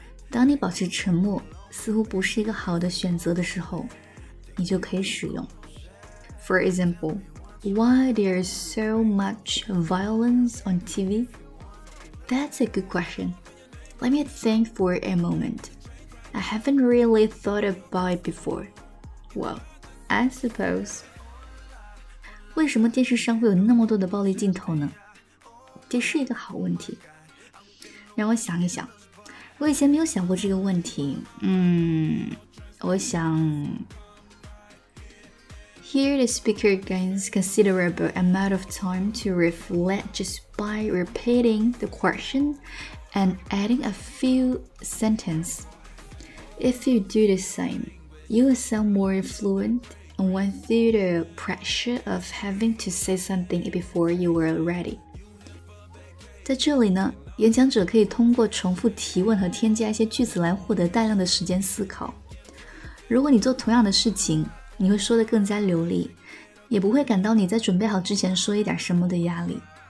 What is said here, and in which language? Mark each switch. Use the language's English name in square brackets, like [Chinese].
[Chinese] 当你保持沉默似乎不是一个好的选择的时候，你就可以使用。 [English] For example, why there is so much violence on TV? That's a good question. Let me think for a moment. I haven't really thought about it before. Well, I suppose. [Chinese] 为什么电视上会有那么多的暴力镜头呢？这是一个好问题。让我想一想。我以前没有想过这个问题。我想。 [English] Here the speaker gains considerable amount of time to reflect just by repeating the question. And adding a few sentences. If you do the same, you will sound more fluent and went through the pressure of having to say something before you were ready. [Chinese] 在这里呢，演讲者可以通过重复提问和添加一些句子来获得大量的时间思考。如果你做同样的事情，你会说得更加流利，也不会感到你在准备好之前说一点什么的压力。